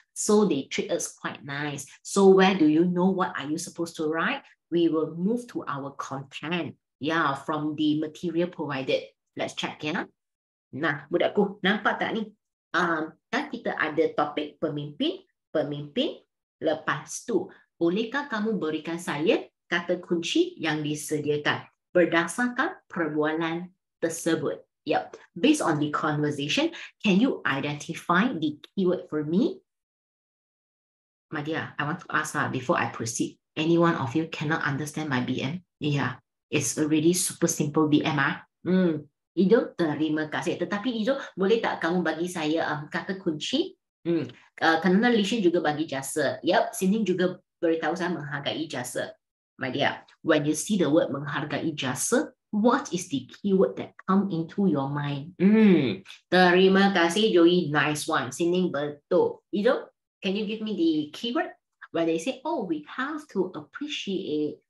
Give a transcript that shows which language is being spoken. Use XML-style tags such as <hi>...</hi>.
<en>So they treat us quite nice. So where do you know what are you supposed to write? We will move to our content. Yeah, from the material provided. Let's check, ya.</en> <ms>Nah, budakku, nampak tak ni? Kan kita ada topik pemimpin. Lepas tu, bolehkah kamu berikan saya kata kunci yang disediakan berdasarkan perbualan tersebut? Yep.</ms> <en>Based on the conversation, can you identify the keyword for me? Madia, I want to ask before I proceed. Anyone of you cannot understand my BM? Yeah, it's already super simple BM.</en> <ms>Ijo, terima kasih. Tetapi Ijo, boleh tak kamu bagi saya kata kunci? Kerana Lishin juga bagi jasa. Yep, Sinin juga beritahu saya menghargai jasa.</ms> <en>My dear, when you see the word menghargai jasa, what is the keyword that come into your mind?</en> <ms>Terima kasih, Joey.</ms> <en>Nice one.</en> <ms>Sinin, betul.</ms> <en>Ijo, can you give me the keyword? Where they say, oh, we have to appreciate.</en>